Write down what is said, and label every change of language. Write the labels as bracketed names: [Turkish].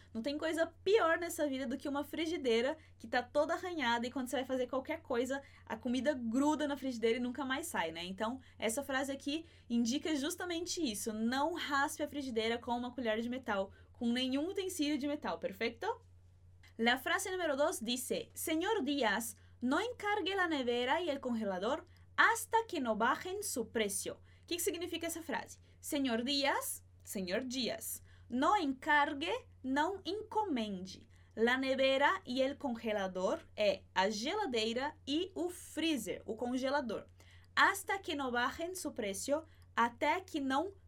[Portuguese] Não tem coisa pior nessa vida do que uma frigideira que está toda arranhada e quando você vai fazer qualquer coisa, a comida gruda na frigideira e nunca mais sai, né? Então, essa frase aqui indica justamente isso. Não raspe a frigideira com uma colher de metal, com nenhum utensílio de metal, perfeito? [Spanish] La frase número 2 dice, Señor Díaz, no encargue la nevera y el congelador hasta que no bajen su precio. [Portuguese] O que significa essa frase? [Spanish] Señor Díaz, no encargue, [Portuguese] não encomende. [Spanish] La nevera y el congelador [Portuguese] é a geladeira e o freezer, o congelador. [Spanish] Hasta que no bajen su precio, [Portuguese] até que não